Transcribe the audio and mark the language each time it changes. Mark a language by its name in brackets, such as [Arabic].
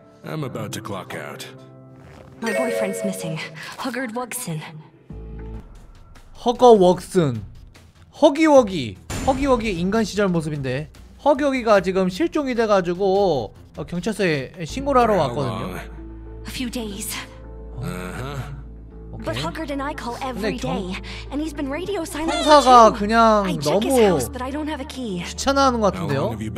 [English] I'm about to clock out. My boyfriend's missing. Huggard Wugson. 허거 웍슨. 허기워기. [Korean] 허기워기 인간 시절 모습인데. 허기워기가 지금 실종이 돼 가지고 경찰서에 신고를 하러 왔거든요. [English] A few days. But Huggard and I call every day and he's been radio silent. [Korean] 형사가 그냥 너무 귀찮아하는 것 같은데요.